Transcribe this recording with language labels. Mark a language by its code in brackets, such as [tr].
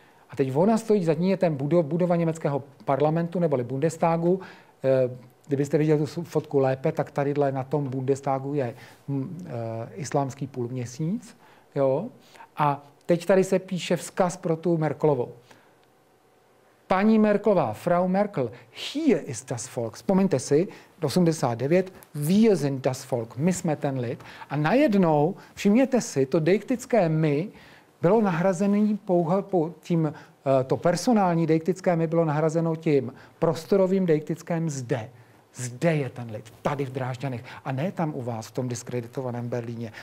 [cs] A teď ona stojí, za ní je ten budova německého parlamentu, neboli Bundestagu. Kdybyste viděli tu fotku lépe, tak tadyhle na tom Bundestagu je islámský půlměsíc. Jo? A teď tady se píše vzkaz pro tu Merkelovou. [de] Paní Merkelová, Frau Merkel, hier ist das Volk. [cs] Vzpomeňte si, 89, [de] wir sind das Volk, [cs] my jsme ten lid. A najednou, všimněte si, to deiktické my bylo nahrazené tím, to personální deiktické my bylo nahrazeno tím prostorovým deiktickém zde. Zde je ten lid, tady v Drážďanech a ne tam u vás v tom diskreditovaném Berlíně.